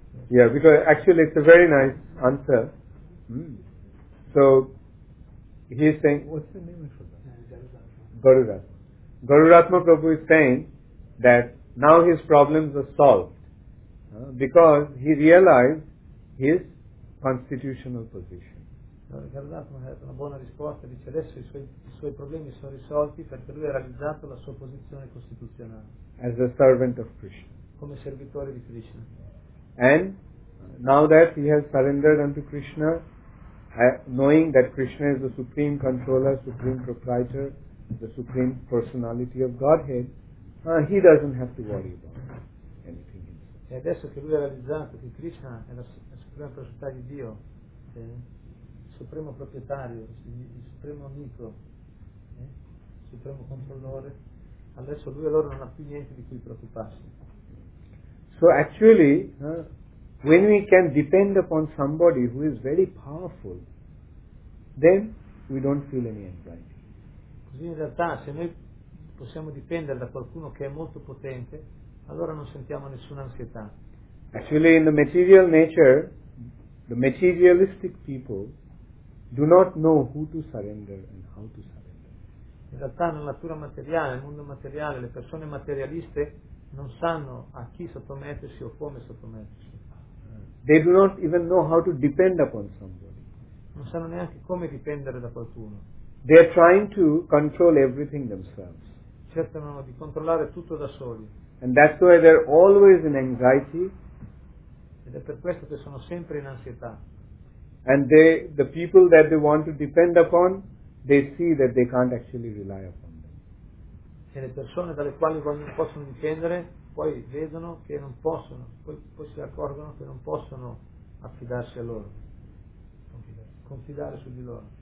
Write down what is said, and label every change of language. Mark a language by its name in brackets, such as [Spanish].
[English] Yeah, because actually it's a very nice answer. So he is saying, what's the name of it? Garudatma. Garudatma Prabhu is saying that now his problems are solved because he realized his constitutional position. [Italian] Garudatma ha una buona risposta, dice adesso i suoi problemi sono risolti perché lui ha realizzato la sua posizione costituzionale. [English] As a servant of Krishna. [Italian] Come servitore di Krishna. [English] And now that he has surrendered unto Krishna, knowing that Krishna is the supreme controller, supreme proprietor, the supreme personality of Godhead, he doesn't have to worry about anything. [Italian] E adesso che lui ha realizzato che Krishna è la suprema proprietà di Dio, il supremo proprietario, il supremo amico, il supremo controllore, adesso lui allora non ha più niente di cui preoccuparsi. [English] So actually, when we can depend upon somebody who is very powerful, then we don't feel any anxiety. [Italian] Così in realtà, se noi possiamo dipendere da qualcuno che è molto potente, allora non sentiamo nessuna ansietà. [English] Actually, in the material nature, the materialistic people do not know who to surrender and how to surrender. [Italian] In realtà, nella natura materiale, nel mondo materiale, le persone materialiste non sanno a chi sottomettersi o come sottomettersi. [English] They do not even know how to depend upon somebody. [Italian] Non sanno neanche come dipendere da qualcuno. [English] They are trying to control everything themselves. [Italian] Cercano di controllare tutto da soli. [English] And that's why they are always in anxiety. [Italian] Ed è per questo che sono sempre in ansietà. [English] And they, the people that they want to depend upon, they see that they can't actually rely upon. [Italian] E le persone dalle quali non possono dipendere poi vedono che non possono, poi si accorgono che non possono affidarsi a loro, confidare su di loro.